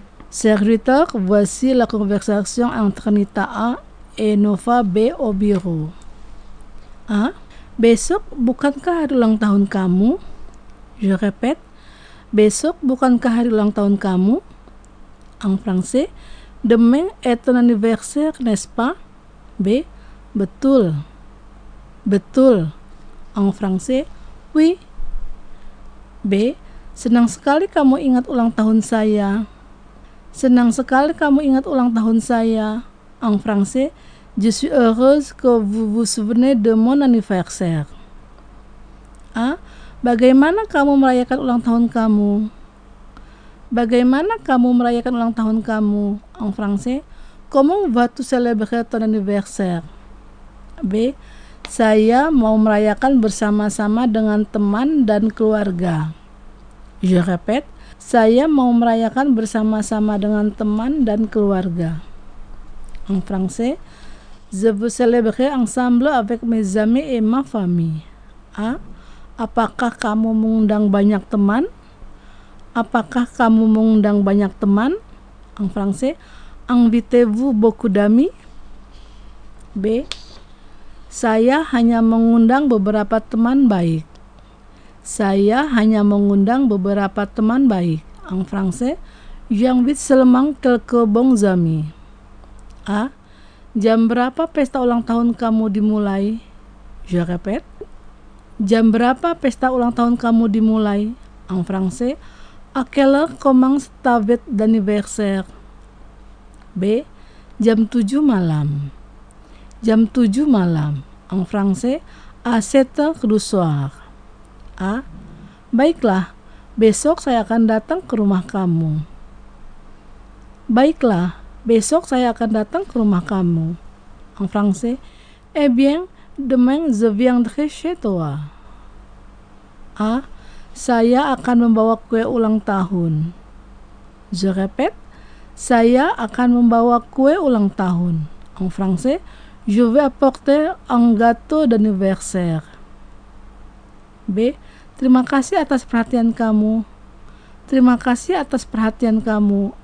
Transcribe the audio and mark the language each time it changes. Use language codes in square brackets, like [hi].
[fr] Serviteur, voici la conversation entre Nita A et Nova B au bureau. A. [id] Besok bukankah hari ulang tahun kamu? [fr] Je répète. [id] Besok bukankah hari ulang tahun kamu? [fr] En français. Demain est ton anniversaire, n'est-ce pas? B. [id] Betul. Betul. [fr] En français. Oui. B. [id] Senang sekali kamu ingat ulang tahun saya. Senang sekali kamu ingat ulang tahun saya. [fr] En français, je suis heureuse que vous vous souvenez de mon anniversaire. A. [id] Bagaimana kamu merayakan ulang tahun kamu? Bagaimana kamu merayakan ulang tahun kamu? [fr] En français, comment vas-tu célébrer ton anniversaire? B. [id] Saya mau merayakan bersama-sama dengan teman dan keluarga. [fr] Je répète. [id] Saya mau merayakan bersama-sama dengan teman dan keluarga. [fr] En français, je veux célébrer ensemble avec mes amis et ma famille. A. [id] Apakah kamu mengundang banyak teman? Apakah kamu mengundang banyak teman? [fr] En français, invitez-vous beaucoup d'amis? B. [id] Saya hanya mengundang beberapa teman baik. Saya hanya mengundang beberapa teman baik. [fr] En français, j'invite seulement quelques bons amis. A. [id] Jam berapa pesta ulang tahun kamu dimulai? [fr] Je répète. [id] Jam berapa pesta ulang tahun kamu dimulai? [fr] En français, à quelle heure commence ta fête d'anniversaire? [id] B. Jam 7 malam. Jam 7 malam. [fr] En français, à 7 heures du soir. A. [id] Baiklah, besok saya akan datang ke rumah kamu. Baiklah, besok saya akan datang ke rumah kamu. [fr] En français, eh bien, demain je viendrai chez toi. [id] A. Saya akan membawa kue ulang tahun. [fr] Je répète, [id] saya akan membawa kue ulang tahun. [fr] En français, je vais apporter un gâteau d'anniversaire. B. [id] Terima kasih atas perhatian kamu. Terima kasih atas perhatian kamu.